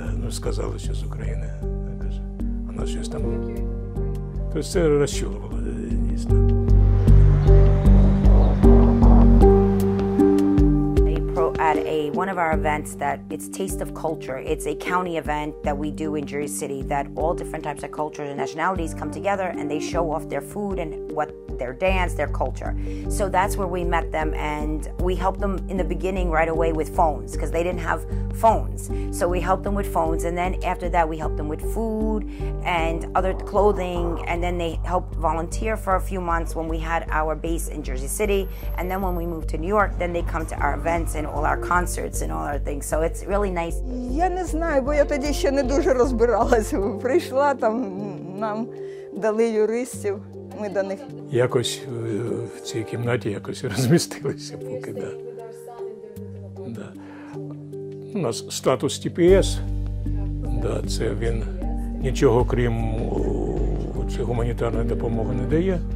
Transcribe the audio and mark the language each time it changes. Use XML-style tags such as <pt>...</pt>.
<uk>Сказали, що з України, вона щось там. Тобто все розчулувало, дійсно.</uk> <en>At a one of our events that it's Taste of Culture. It's a county event that we do in Jersey City that all different types of cultures and nationalities come together and they show off their food and what their dance, their culture. So that's where we met them and we helped them in the beginning right away with phones because they didn't have phones. So we helped them with phones and then after that we helped them with food and other clothing and then they helped volunteer for a few months when we had our base in Jersey City and then when we moved to New York then they come to our events and all our concerts and all our things, so it's really nice.</en> <uk>Я не знаю, бо я тоді ще не дуже розбиралася. Прийшла там, нам дали юристів, ми до них. Якось в цій кімнаті якось розмістилися поки, да. Да. У нас статус ТПС, да, це він нічого крім цієї гуманітарної допомоги не дає.</uk>